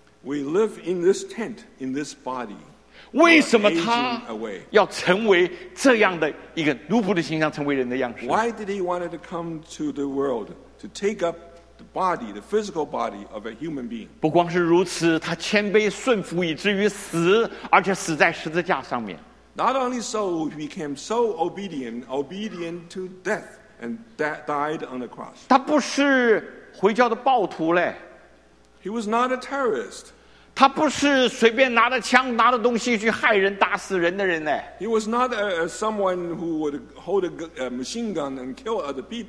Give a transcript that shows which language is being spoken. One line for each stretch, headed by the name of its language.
English: We live in this tent, in this body.
Chinese: 为什么他要成为这样的一个奴仆的形象,成为人的样式?
English: Why did he want to come to the world to take up the body, the physical body of a human being?
Chinese: 不光是如此,他谦卑顺服以至于死,而且死在十字架上面。
English: Not only so, he became so obedient to death and died on the cross.
Chinese: 他不是回教的暴徒嘞。
English: He was not a terrorist.
Chinese: 他不是随便拿着枪拿着东西去害人打死人的人呢。
English: He was not someone who would hold a machine gun and kill other people.